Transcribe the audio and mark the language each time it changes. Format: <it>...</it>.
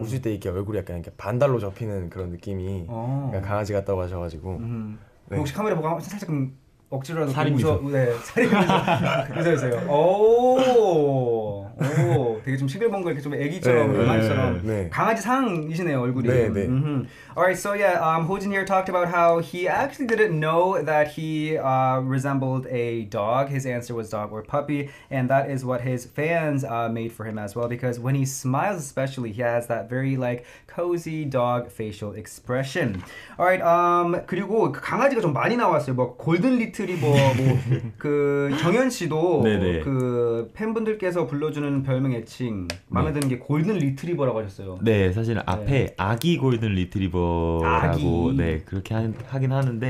<ko>웃을 때 이렇게 얼굴이 약간 이렇게 반달로 접히는 그런 느낌이 그냥 강아지 같다고 하셔가지고 네. 혹시 카메라 보고 살짝 좀 억지로라도 살인미소 네 살인미소 웃어주세요. 오 되게 좀 시글벙글 이렇게 좀 애기처럼 강아지처럼 네, 네, 네. 강아지 상이시네요 얼굴이. 네네. 네.</ko> <en>Alright, so yeah, Hojin here talked about how he actually didn't know that he resembled a dog. His answer was dog or puppy, and that is what his fans made for him as well. Because when he smiles, especially, he has that very like cozy dog facial expression.</en> <ko>Alright, 그리고 강아지가 좀 많이 나왔어요. 뭐 골든 리트리버, 뭐 그 정현 씨도 네네. 그 팬분들께서 불러주는 별명 애칭 마음에 네. 드는 게 골든 리트리버라고 하셨어요. 네, 사실 앞에 네. 아기 골든 리트리버 라고 네 그렇게 하긴 하는데</ko>